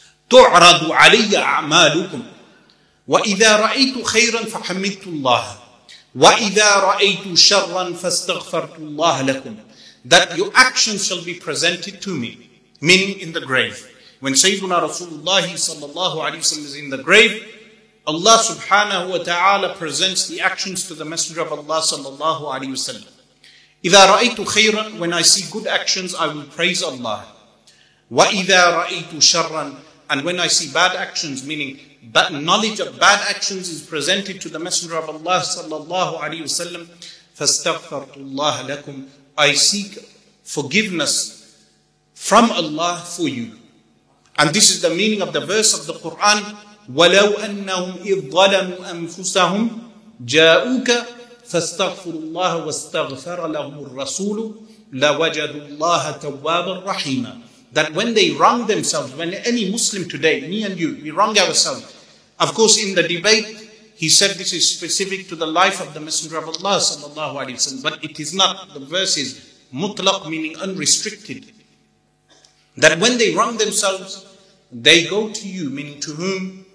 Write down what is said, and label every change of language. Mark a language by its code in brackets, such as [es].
[ar] تعرض علي أعمالكم وإذا رأيت خيرا فحمدت الله وإذا رأيت شرا فاستغفرت الله لكم. [en] That your actions shall be presented to me, meaning in the grave. When Sayyiduna Rasulullah sallallahu alayhi wa sallam is in the grave, Allah subhanahu wa ta'ala presents the actions to the Messenger of Allah sallallahu alayhi wa sallam. [ar] إِذَا رَأَيْتُ خَيْرًا, [en] when I see good actions, I will praise Allah. [ar] وَإِذَا رَأَيْتُ شَرًّا, [en] and when I see bad actions, meaning that knowledge of bad actions is presented to the Messenger of Allah sallallahu alayhi wa sallam, [ar] فَاسْتَغْفَرْتُ اللَّهَ لَكُمْ, [en] I seek forgiveness from Allah for you. And this is the meaning of the verse of the Quran, [ar] وَلَوْ أَنَّهُمْ إِذْ ظَلَمُوا أَنفُسَهُمْ جَاءُوكَ فَاسْتَغْفِرُوا اللَّهَ وَاسْتَغْفَرَ لَهُمُ الرَّسُولُ لَوَجَدُوا اللَّهَ تَوَّابًا رَحِيمًا. [en] That when they wrong themselves, when any Muslim today, me and you, we wrong ourselves. Of course, in the debate, he said this is specific to the life of the Messenger of Allah sallallahu alayhi wa sallam, but it is not. The verse is mutlaq, meaning unrestricted. That when they wrong themselves, they go to you, meaning to whom?